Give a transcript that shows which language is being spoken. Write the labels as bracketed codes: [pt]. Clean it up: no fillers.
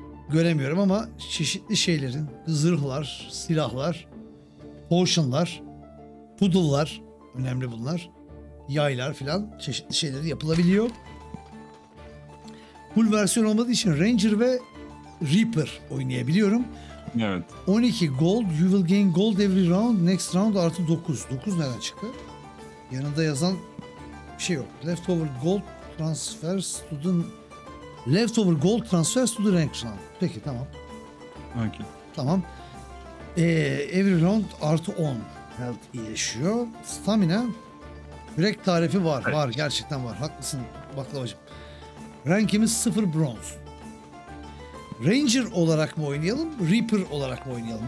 [tr] göremiyorum ama çeşitli şeylerin, zırhlar, silahlar, potionlar, poodle'lar, önemli bunlar, yaylar filan çeşitli şeyleri yapılabiliyor. Full versiyon olmadığı için Ranger ve Reaper oynayabiliyorum. Evet. [en] 12 gold, you will gain gold every round, next round artı 9. [tr] 9 nereden çıktı? Yanında yazan bir şey yok. [en] Leftover gold transfers to the... Leftover gold transfers to the rank round. [tr] Peki, tamam. [en] Okay. [tr] Tamam. Every round artı 10 health iyileşiyor. Stamina, break tarifi var. Evet. Var, gerçekten var. Haklısın baklavacım. Rankimiz 0 bronze. Ranger olarak mı oynayalım, Reaper olarak mı oynayalım?